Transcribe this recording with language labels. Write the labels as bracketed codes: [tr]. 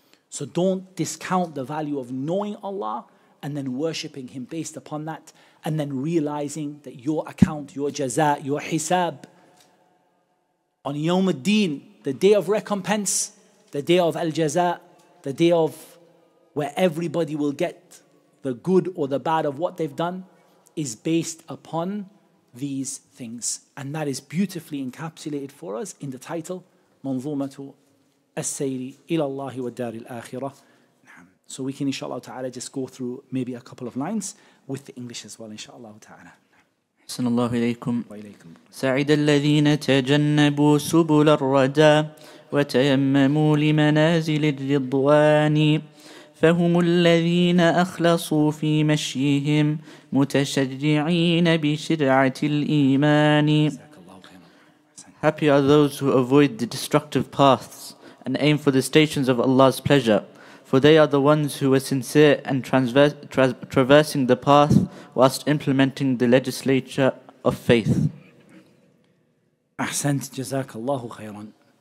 [en] So don't discount the value of knowing Allah and then worshipping him based upon that, and then realizing that your account, your jaza, your hisab on Yawm al-Din, the day of recompense, the day of al-jaza, the day of where everybody will get the good or the bad of what they've done, is based upon these things. And that is beautifully encapsulated for us in the title, Manzumatu As-Sayri Ila Allahi Wa Dari Al-Akhirah. So we can, inshallah ta'ala, just go through maybe a couple of lines with the English as well, inshallah ta'ala. [ar] أحسن الله إليكم. سعد الذين تجنبوا سبل الردى وتيمموا لمنازل الرضوان، فهم الذين أخلصوا في مشيهم متشجعين بشرعة الإيمان. [en] Happy are those who avoid the destructive paths and aim for the stations of Allah's pleasure, for they are the ones who were sincere and traversing the path whilst implementing the legislature of faith. [ar] Ahsant, jazakallahu khayran.